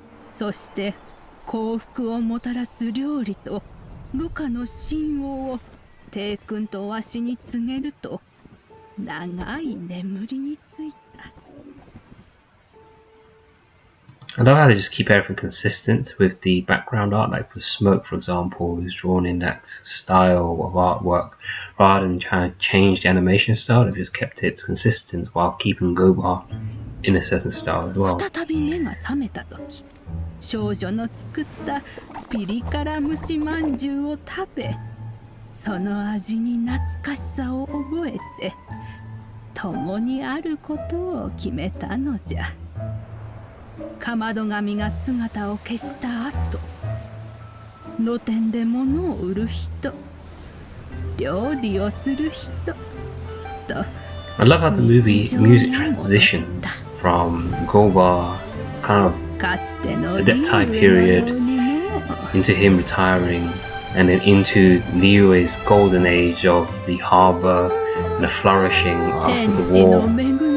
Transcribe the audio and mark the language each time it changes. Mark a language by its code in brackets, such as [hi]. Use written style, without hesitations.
[ja] そして幸福をもたらす料理とルカの神王を帝君とわしに告げると長い眠りについた。 [en] I love how they just keep everything consistent with the background art, like the smoke, for example, is drawn in that style of artwork rather than trying to change the animation style. They've just kept it consistent while keeping Guoba in a certain style as well. [ja] 再び目が覚めた時、少女の作ったピリ辛蒸し饅頭を食べ、その味に懐かしさを覚えて、共にあることを決めたのじゃ。かまど神が姿を消した後、露店で物を売る人、料理をする人と。 [en] I love how the movie music transitioned from Guoba kind of that time period into him retiring and then into Niue's golden age of the harbor and the flourishing after the war.